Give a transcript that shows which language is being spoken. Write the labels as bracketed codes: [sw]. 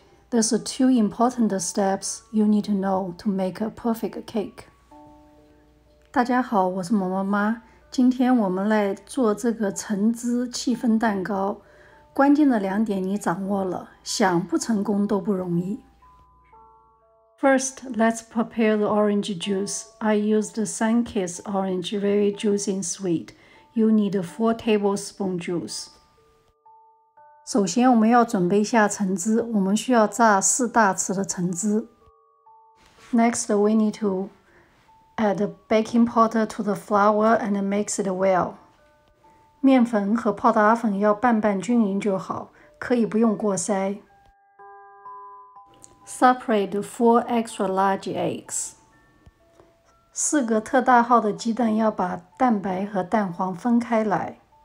[en] There's two important steps you need to know to make a perfect cake. [zh] 大家好，我是毛毛妈。今天我们来做这个橙汁戚风蛋糕。关键的两点你掌握了，想不成功都不容易。 [en] First, let's prepare the orange juice. I used sun-kissed orange, very juicy and sweet. You need 4 tablespoon juice. [zh] 首先，我们要准备下橙汁，我们需要榨四大匙的橙汁。 [en] Next, we need to add baking powder to the flour and mix it well. [zh] 面粉和泡打粉要拌拌均匀就好，可以不用过筛。 [en] Separate 4 extra large eggs. [zh] 四个特大号的鸡蛋要把蛋白和蛋黄分开来。